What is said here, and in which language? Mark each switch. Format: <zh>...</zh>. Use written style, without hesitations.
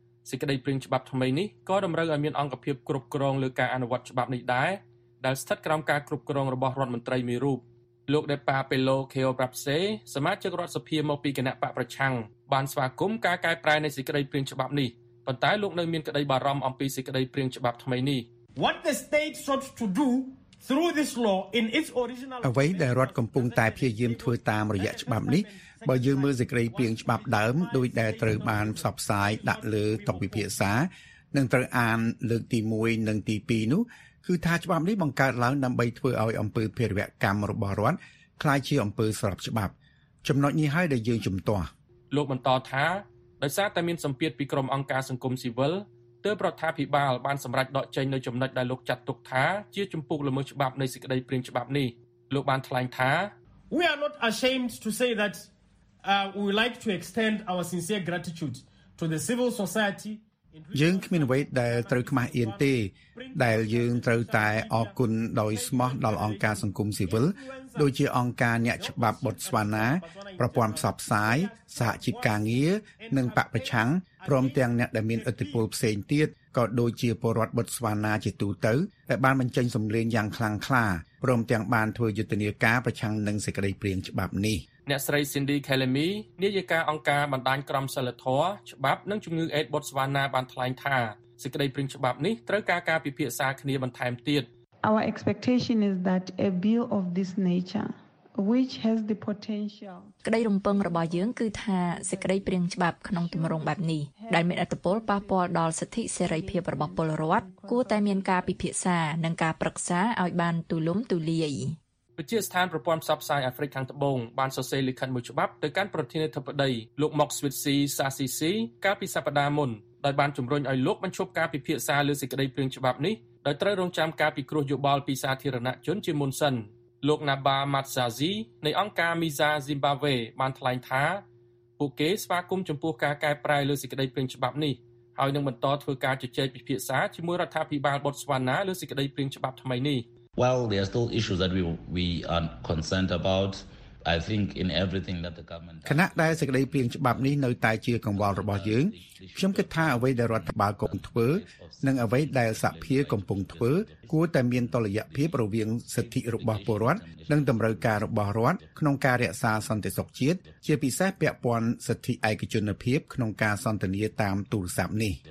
<km>សេចក្តីព្រាងច្បាប់ថ្មីនេះក៏តម្រូវឲ្យមានអង្គភាពគ្រប់គ្រងលើការអនុវត្តច្បាប់នេះដែរដែលស្ថិតក្រោមការគ្រប់គ្រងរបស់រដ្ឋមន្ត្រីមួយរូបលោកដេប៉ាពេឡូខេអូប្រាប់សេសមាជិករដ្ឋសភាមកពីគណៈបកប្រឆាំងបានស្វាគមន៍ការកែប្រែនៃសេចក្តីព្រាងច្បាប់នេះប៉ុន្តែលោកនៅមានក្តីបារម្ភអំពីសេចក្តីព្រាងច្បាប់ថ្មីនេះ</km> <en>What the state sought to do through this law in its original</en> <km>អ្វីដែលរដ្ឋកំពុងតែព្យាយាមធ្វើតាមរយៈច្បាប់នេះបើយើងមើលសេចក្តីព្រាងច្បាប់ដើមដោយដែលត្រូវបានផ្សព្វផ្សាយដាក់លើតុពិភាក្សានិងត្រូវអានលើកទី1និងទី2នោះគឺថាច្បាប់នេះបង្កើតឡើងដើម្បីធ្វើឲ្យអំពើភេរវកម្មរបស់រដ្ឋคล้ายជាអំពើស្របច្បាប់ចំណុចនេះហើយដែលយើងជំទាស់លោកបន្តថាដោយសារតែមានសម្ពាធពីក្រុមអង្គការសង្គមស៊ីវិលទើបរដ្ឋាភិបាលបានសម្រេចដកចេញនូវចំណុចដែលលោកចាត់ទុកថាជាជំពូកល្មើសច្បាប់នៃសេចក្តីព្រាងច្បាប់នេះលោកបានថ្លែងថា</km> <en>We are not ashamed to say that we would like to extend our sincere gratitude to the civil society</en> <km>យើងគ្មានអ្វីដែលត្រូវខ្មាស់អៀនទេដែលយើងត្រូវតែអរគុណដោយស្មោះដល់អង្គការសង្គមស៊ីវិលដូចជាអង្គការអ្នកច្បាប់បតស្វ៉ាណាប្រព័ន្ធផ្សព្វផ្សាយសហជីពការងារនិងបកប្រឆាំងព្រមទាំងអ្នកដែលមានឥទ្ធិពលផ្សេងទៀតក៏ដូចជាពលរដ្ឋបតស្វ៉ាណាជាទូទៅដែលបានបញ្ចេញសំឡេងយ៉ាងខ្លាំងក្លាព្រមទាំងបានធ្វើយុទ្ធនាការប្រឆាំងនឹងសេចក្តីព្រាងច្បាប់នេះ អ្នកស្រី Cindy Kelemi នាយិកាអង្គការបណ្ដាញក្រមសិលធម៌ច្បាប់និងជំងឺអេដបតស្វ៉ាណាបានថ្លែងថាសេចក្តីព្រាងច្បាប់នេះត្រូវការការពិភាក្សាគ្នាបន្ថែមទៀត</km> <en>Our expectation is that a bill of this nature which has the potential</en> <km>ក្តីរំពឹងរបស់យើងគឺថាសេចក្តីព្រាងច្បាប់ក្នុងទម្រង់បែបនេះដែលមានឥទ្ធិពលប៉ះពាល់ដល់សិទ្ធិសេរីភាពរបស់ពលរដ្ឋគួរតែមានការពិភាក្សានិងការប្រឹក្សាឲ្យបានទូលំទូលាយ ព្រះរាជស្ថានប្រព័ន្ធផ្សព្វផ្សាយអាហ្វ្រិកខាងត្បូងបានសរសេរលិខិតមួយច្បាប់ទៅកាន់ប្រធានាធិបតីលោកម៉ុកស្វីតស៊ីសាស៊ីស៊ីកាលពីសប្តាហ៍មុនដោយបានជំរុញឲ្យលោកបញ្ឈប់ការពិភាក្សាលើសេចក្តីព្រាងច្បាប់នេះដោយត្រូវរងចាំការពិគ្រោះយោបល់ពីសាធារណជនជាមុនសិនលោកណាបាម៉ាត់សាស៊ីនៃអង្គការមីសាស៊ីមបាវេបានថ្លែងថាពួកគេស្វាគមន៍ចំពោះការកែប្រែលើសេចក្តីព្រាងច្បាប់នេះហើយនឹងបន្តធ្វើការជជែកពិភាក្សាជាមួយរដ្ឋាភិបាលបតស្វ៉ាណាលើសេចក្តីព្រាងច្បាប់ថ្មីនេះ</km> <en>Well, there are still issues that we are concerned about. I think in everything that the government.</en> <km>ខណៈដែលសេចក្តីព្រាងច្បាប់នេះនៅតែជាកង្វល់របស់យើងខ្ញុំគិតថាអ្វីដែលរដ្ឋបាលកំពុងធ្វើនិងអ្វីដែលសភាកំពុងធ្វើគួរតែមានតុល្យភាពរវាងសិទ្ធិរបស់ពលរដ្ឋនិងតម្រូវការរបស់រដ្ឋក្នុងការរក្សាសន្តិសុខជាតិជាពិសេសពាក់ព័ន្ធសិទ្ធិឯកជនភាពក្នុងការសន្ទនាតាមទូរស័ព្ទនេះ</km>